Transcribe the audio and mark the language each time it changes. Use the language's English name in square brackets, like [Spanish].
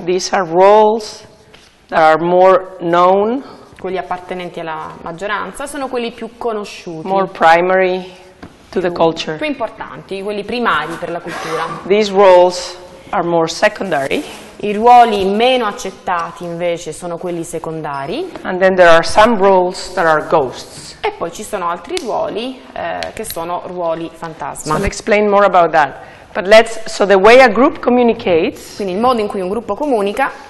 [English] These are roles that are more known. [Italian] Quelli appartenenti alla maggioranza sono quelli più conosciuti. [English] More primary to the culture. [Italian] Più importanti, quelli primari per la cultura. [English] These roles are more secondary. [Italian] I ruoli meno accettati invece sono quelli secondari. [English] And then there are some roles that are ghosts. [Italian] E poi ci sono altri ruoli che sono ruoli fantasma. [English] So explain more about that. But let's, so the way a group communicates, [Italian] quindi il modo in cui un gruppo comunica,